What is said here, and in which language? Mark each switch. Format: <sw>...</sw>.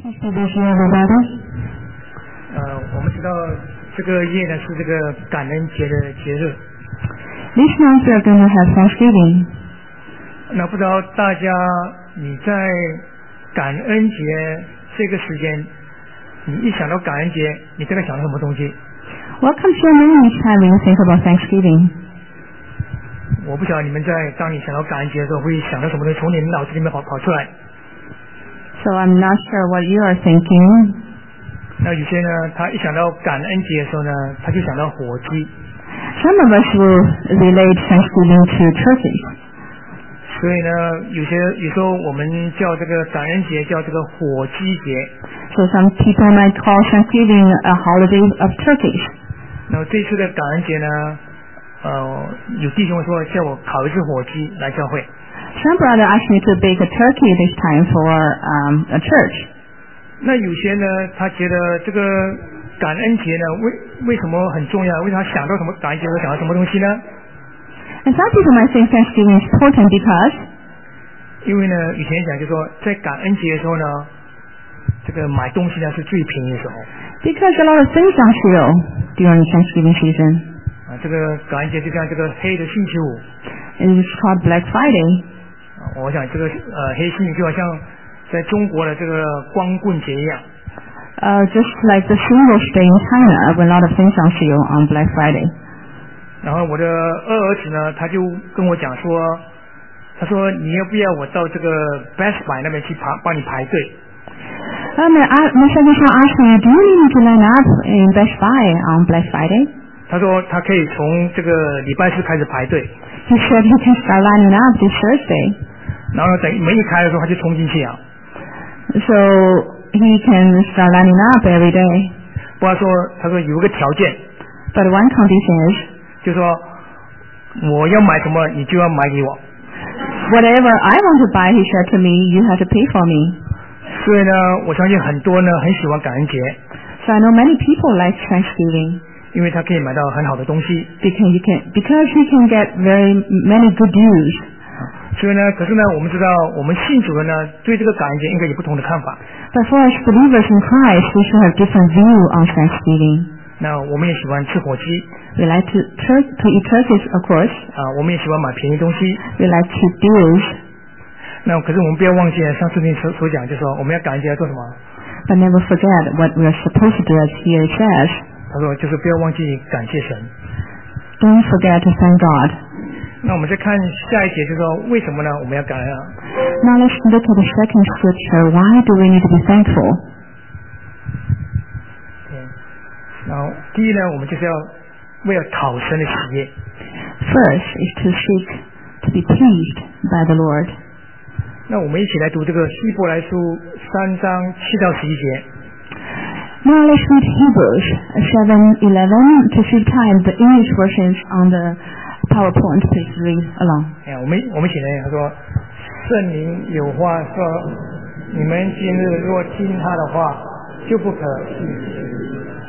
<zh>我们知道这个夜呢是这个感恩节的节日。</zh> <en>This month we are going to have Thanksgiving.</en> <zh>那不知道大家你在感恩节这个时间，你一想到感恩节，你大概想到什么东西？</zh> <en>What comes to mind each time you think about Thanksgiving?</en> <zh>我不晓得你们在当你想到感恩节的时候会想到什么东西从你们脑子里面 跑出来。</zh> <en>So I'm not sure what you are thinking.</en> <zh>那有些呢，他一想到感恩节的时候呢，他就想到火鸡。</zh> <en>Some of us will relate Thanksgiving to turkey.</en> <zh>所以呢，有时候我们叫这个感恩节叫这个火鸡节。</zh> <en>So some people might call Thanksgiving a holiday of turkeys.</en> <zh>那这次的感恩节呢，有弟兄说叫我烤一只火鸡来教会。</zh> <en>Some brother asked me to bake a turkey this time for a church.</en> <zh>那有些呢，他觉得这个感恩节呢，为什么很重要？为什么想到什么感恩节，会想到什么东西呢？</zh> <en>And some people might think Thanksgiving is important because.</en> <zh>因为呢，以前讲就是说，在感恩节的时候呢，这个买东西呢是最便宜的时候。</zh> <en>Because a lot of things are sale during Thanksgiving season.</en> <zh>啊，这个感恩节就像这个黑的星期五。</zh> <en>It's called Black Friday.</en> <zh>我想这个黑星期就好像在中国的这个光棍节一样。</zh> <en>Just like the Singles Day in China, when a lot of things are sale on Black Friday.</en> <zh>然后我的二儿子呢，他就跟我讲说，他说你要不要我到这个 Best Buy 那边去帮你排队。</zh> <en>My son just now asked me, do you need me to line up in Best Buy on Black Friday?</en> <zh>他说他可以从这个礼拜四开始排队。</zh> <en>He said he can start lining up this Thursday.</en> <zh>然后等门一开的时候，他就冲进去啊。</zh> <en>So he can start lining up every day.</en> <zh>不过他说有个条件。</zh> <en>But one condition is.</en> <zh>就是说我要买什么，你就要买给我。</zh> <en>Whatever I want to buy, he said to me, you have to pay for me.</en> <zh>所以呢，我相信很多呢很喜欢感恩节。</zh> <en>So I know many people like Thanksgiving.</en> <zh>因为他可以买到很好的东西。</zh> <en>Because he can get very many good deals.</en> <zh>所以呢，可是呢，我们知道我们信主的呢，对这个感恩节应该有不同的看法。</zh> <en>But for us believers in Christ, we should have different view on Thanksgiving.</en> <zh>那我们也喜欢吃火鸡。</zh> <en>We like to eat turkeys, of course.</en> <zh>我们也喜欢买便宜东西。</zh> <en>We like to deals.</en> <zh>那可是我们不要忘记上次你所讲，就是说我们要感恩节要做什么。</zh> <en>But never forget what we are supposed to do as here it says.</en> <zh>他说就是不要忘记感谢神。</zh> <en>Don't forget to thank God.</en> <zh>那我们再看下一节，就是说为什么呢我们要感恩啊。</zh> <en>Now let's look at the second scripture. Why do we need to be thankful?</en> <zh>Now, 第一呢，我们就是要为了讨神的喜悦。</zh> <en>First is to seek to be pleased by the Lord.</en> <zh>那我们一起来读这个希伯来书三章七到十一节。</zh> <en>Now let's read Hebrews 7:11 to save time. The English versions on the PowerPoint, please read along.</en> <zh>Yeah, 我们写呢，他说，圣灵有话说，你们今日若听他的话，就不可。</zh>